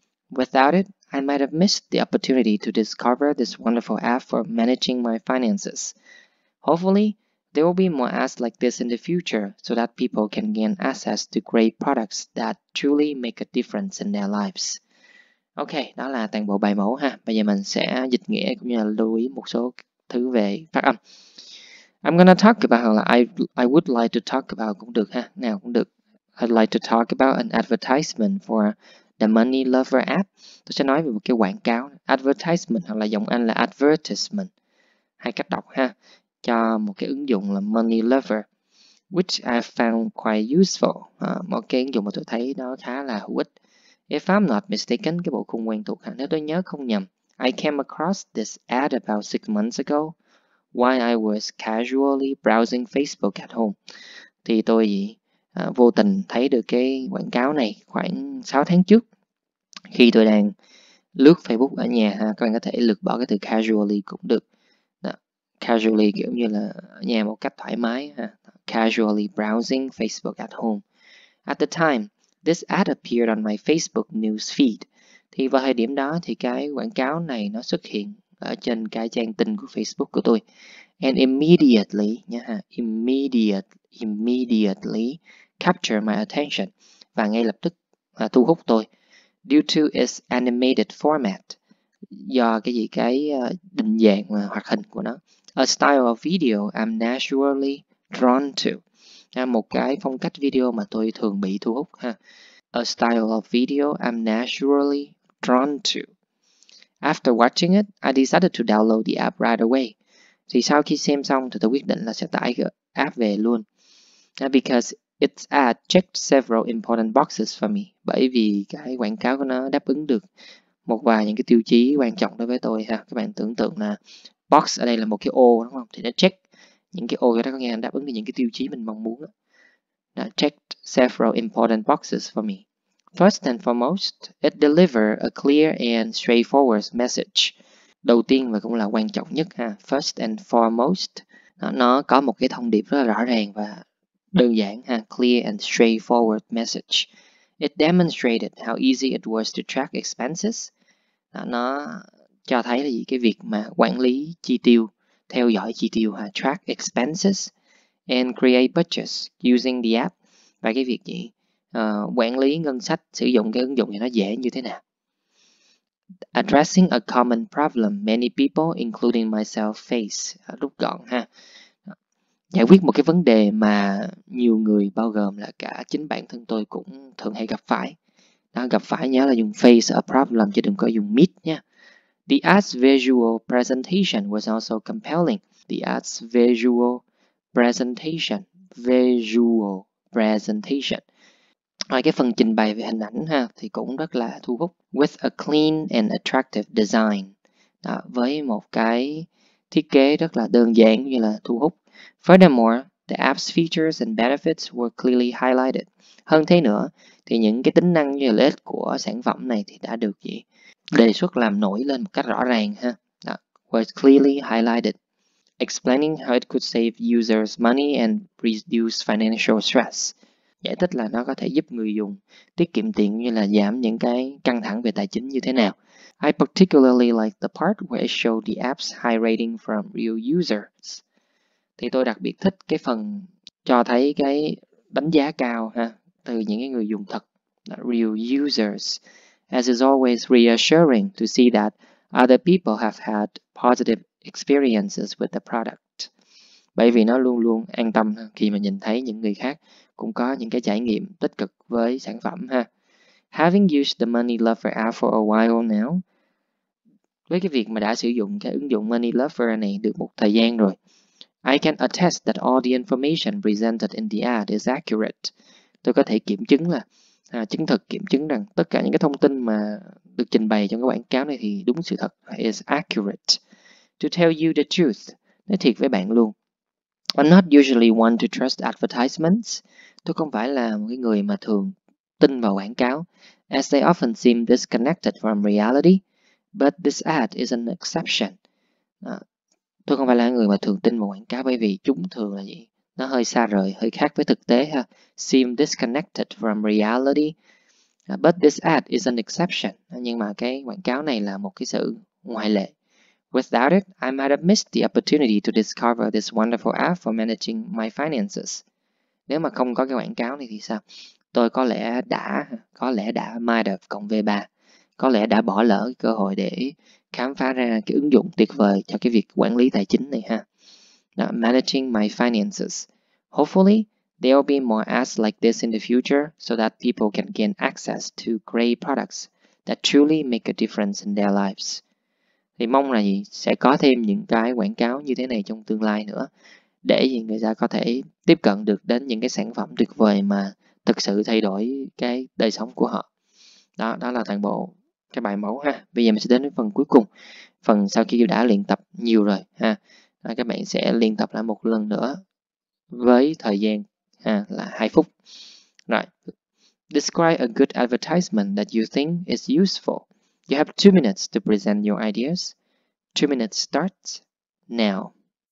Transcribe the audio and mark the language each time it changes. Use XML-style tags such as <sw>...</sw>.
<en>Without it, I might have missed the opportunity to discover this wonderful app for managing my finances. Hopefully, there will be more ads like this in the future so that people can gain access to great products that truly make a difference in their lives.</en> <vi>Ok, đó là toàn bộ bài mẫu ha. Bây giờ mình sẽ dịch nghĩa cũng như là lưu ý một số thứ về phát âm.</vi> <en>I'm gonna talk about,</en> <vi>hoặc là</vi> <en>I would like to talk about</en> <vi>cũng được ha. Nào cũng được.</vi> <en>I'd like to talk about an advertisement for the Money Lover app.</en> <vi>Tôi sẽ nói về một cái quảng cáo. Advertisement hoặc là giọng Anh là advertisement. Hai cách đọc ha. Cho một cái ứng dụng là Money Lover,</vi> <en>which I found quite useful.</en> <vi>Một cái ứng dụng mà tôi thấy nó khá là hữu ích.</vi> <en>If I'm not mistaken,</en> <vi>cái bộ khung quen thuộc, nếu tôi nhớ không nhầm,</vi> <en>I came across this ad about 6 months ago while I was casually browsing Facebook at home.</en> <vi>Thì tôi vô tình thấy được cái quảng cáo này khoảng 6 tháng trước khi tôi đang lướt Facebook ở nhà. Các bạn có thể lược bỏ cái từ casually cũng được. Casually kiểu như là nhà một cách thoải mái ha.</vi> <en>Casually browsing Facebook at home. At the time, this ad appeared on my Facebook news feed.</en> <vi>Thì vào thời điểm đó thì cái quảng cáo này nó xuất hiện ở trên cái trang tin của Facebook của tôi.</vi> <en>And immediately</en> <vi>nha ha,</vi> <en>immediately capture my attention,</en> <vi>và ngay lập tức thu hút tôi.</vi> <en>Due to its animated format,</en> <vi>do cái gì, cái định dạng mà hoạt hình của nó.</vi> <en>A style of video I'm naturally drawn to.</en> <vi>Một cái phong cách video mà tôi thường bị thu hút ha.</vi> <en>A style of video I'm naturally drawn to. After watching it, I decided to download the app right away.</en> <vi>Thì sau khi xem xong thì tôi quyết định là sẽ tải cái app về luôn.</vi> <en>Because its ad checked several important boxes for me.</en> <vi>Bởi vì cái quảng cáo của nó đáp ứng được một vài những cái tiêu chí quan trọng đối với tôi ha. Các bạn tưởng tượng là box ở đây là một cái ô đúng không? Thì nó check những cái ô đó, có nghĩa là đáp ứng được những cái tiêu chí mình mong muốn.</vi> <en>Đã checked several important boxes for me. First and foremost, it delivered a clear and straightforward message.</en> <vi>đầu tiên và cũng là quan trọng nhất ha,</vi> <en>first and foremost.</en> <vi>Nó có một cái thông điệp rất là rõ ràng và đơn giản ha,</vi> <en>clear and straightforward message. It demonstrated how easy it was to track expenses.</en> <vi>Nó cho thấy là gì? Cái việc mà quản lý chi tiêu, theo dõi chi tiêu ha,</vi> <en>track expenses and create budgets using the app.</en> <vi>Và cái việc gì? Quản lý ngân sách sử dụng cái ứng dụng này nó dễ như thế nào?</vi> <en>Addressing a common problem many people, including myself, face.</en> <vi>Rút gọn ha. Giải quyết một cái vấn đề mà nhiều người, bao gồm là cả chính bản thân tôi, cũng thường hay gặp phải. Đó, gặp phải nhớ là dùng</vi> <en>face a problem,</en> <vi>chứ đừng có dùng meet nha.</vi> <en>The ads visual presentation was also compelling. The ads visual presentation. Visual presentation.</en> <vi>Rồi cái phần trình bày về hình ảnh ha thì cũng rất là thu hút.</vi> <en>With a clean and attractive design.</en> <vi>Đó, với một cái thiết kế rất là đơn giản như là thu hút.</vi> <en>Furthermore, the app's features and benefits were clearly highlighted.</en> <vi>Hơn thế nữa thì những cái tính năng như là lợi ích của sản phẩm này thì đã được gì? Đề xuất làm nổi lên một cách rõ ràng ha.</vi> <en>Đó, was clearly highlighted. Explaining how it could save users money and reduce financial stress.</en> <vi>Giải thích là nó có thể giúp người dùng tiết kiệm tiền như là giảm những cái căng thẳng về tài chính như thế nào.</vi> <en>I particularly like the part where it showed the app's high rating from real users.</en> <vi>Thì tôi đặc biệt thích cái phần cho thấy cái đánh giá cao ha, từ những cái người dùng thật,</vi> <en>real users. As is always reassuring to see that other people have had positive experiences with the product.</en> <vi>Bởi vì nó luôn luôn an tâm khi mà nhìn thấy những người khác cũng có những cái trải nghiệm tích cực với sản phẩm ha.</vi> <en>Having used the Money Lover app for a while now.</en> <vi>Với cái việc mà đã sử dụng cái ứng dụng Money Lover này được một thời gian rồi.</vi> <en>I can attest that all the information presented in the ad is accurate.</en> <vi>Tôi có thể kiểm chứng rằng tất cả những cái thông tin mà được trình bày trong cái quảng cáo này thì đúng sự thật.</vi> <en>Is accurate. To tell you the truth.</en> <vi>Nói thiệt với bạn luôn.</vi> <en>I'm not usually one to trust advertisements.</en> <vi>Tôi không phải là một cái người mà thường tin vào quảng cáo,</vi> <en>as they often seem disconnected from reality. But this ad is an exception.</en> <vi>Tôi không phải là người mà thường tin vào quảng cáo, bởi vì chúng thường là gì? Nó hơi xa rời, hơi khác với thực tế ha.</vi> <en>Seem disconnected from reality. But this ad is an exception.</en> <vi>Nhưng mà cái quảng cáo này là một cái sự ngoại lệ.</vi> <en>Without it, I might have missed the opportunity to discover this wonderful app for managing my finances.</en> <vi>Nếu mà không có cái quảng cáo này thì sao? Tôi có lẽ đã</vi> <en>might have</en> <vi>cộng V3. Có lẽ đã bỏ lỡ cái cơ hội để khám phá ra cái ứng dụng tuyệt vời cho cái việc quản lý tài chính này ha.</vi> <en>Now, managing my finances. Hopefully, there will be more ads like this in the future so that people can gain access to great products that truly make a difference in their lives.</en> <vi>Thì mong là gì? Sẽ có thêm những cái quảng cáo như thế này trong tương lai nữa, để gì người ta có thể tiếp cận được đến những cái sản phẩm tuyệt vời mà thực sự thay đổi cái đời sống của họ. Đó là toàn bộ cái bài mẫu ha. Bây giờ mình sẽ đến với phần cuối cùng, phần sau khi đã luyện tập nhiều rồi ha. Đó, các bạn sẽ luyện tập lại một lần nữa với thời gian ha, là 2 phút. Rồi.</vi> <en>Describe a good advertisement that you think is useful. You have 2 minutes to present your ideas. 2 minutes starts now.</en>